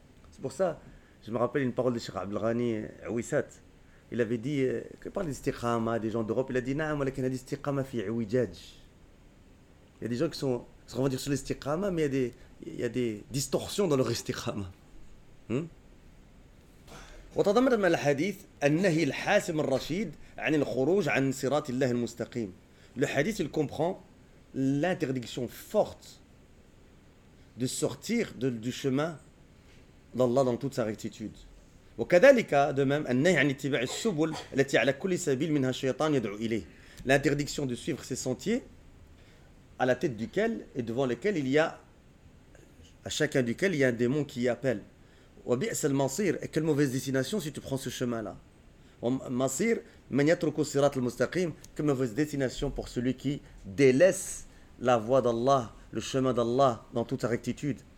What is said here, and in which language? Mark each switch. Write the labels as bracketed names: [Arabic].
[French] C'est pour ça, je me rappelle une parole de Cheikh Abdelghani Ouissat. Il avait dit, il parle d'istiqama, des gens d'Europe, il a dit, « [Arabic] Naam, walakin hadhihi istiqama fi iwijaj. [French] » Il y a des gens qui sont ce qu'on va dire sur l'istiqama, mais il y a des distorsions dans leur istiqama. [Arabic] وتضمن من الحديث النهي الحاسم الرشيد عن الخروج عن صراط الله المستقيم. [French] Le hadith il comprend l'interdiction forte de sortir de, du chemin d'Allah dans toute sa rectitude. [Arabic] وكذلك [French] de même [Arabic] النهي عن اتباع السبل التي على كل سبيل منها الشيطان يدعو إليه. [French] L'interdiction de suivre ces sentiers à la tête duquel et devant lesquels il y a à chacun duquel il y a un démon qui y appelle. [Arabic] وَبِئْسَ الْمَصِيرُ [French] Et quelle mauvaise destination si tu prends ce chemin-là. [Arabic] وَمَصِيرُ مَنْ يَتْرُكُ الصِّرَاطَ الْمُسْتَقِيمَ [French] Quelle mauvaise destination pour celui qui délaisse la voie d'Allah, le chemin d'Allah dans toute sa rectitude.